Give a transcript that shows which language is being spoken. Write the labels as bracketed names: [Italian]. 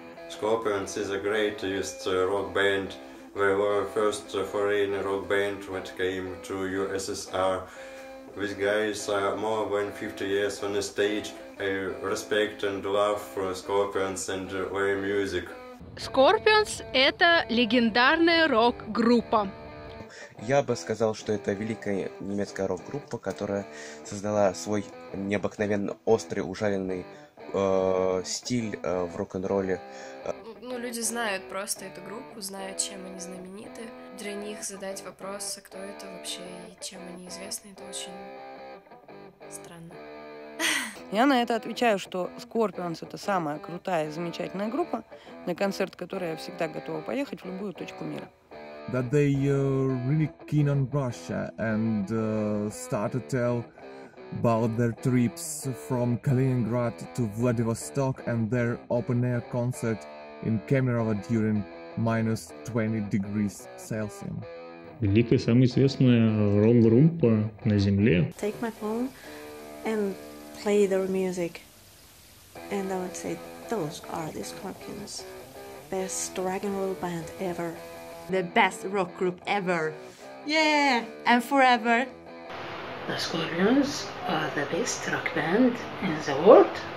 [English] Scorpions is the greatest rock band. They were the first foreign rock band that came to USSR. These guys are more than 50 years on the stage. I respect and love for Scorpions and their music. [Russian] Scorpions – это легендарная рок-группа. Я бы сказал, что это великая немецкая рок-группа, которая создала свой необыкновенно острый, ужаленный стиль в рок-н-ролле. Ну, люди знают просто эту группу, знают, чем они знамениты. Для них задать вопрос, кто это вообще и чем они известны, это очень странно. Я на это отвечаю, что Scorpions — это самая крутая и замечательная группа, на концерт которой я всегда готова поехать в любую точку мира. [English] That they really keen on Russia and start to tell about their trips from Kaliningrad to Vladivostok and their open-air concert in Kemerovo during minus 20 degrees Celsius. [Russian] Великая, самая известная рок-группа на Земле. [English] Take my phone and play their music. And I would say those are the Scorpions. Best rock and roll band ever. The best rock group ever. Yeah, and forever. The Scorpions are the best rock band in the world.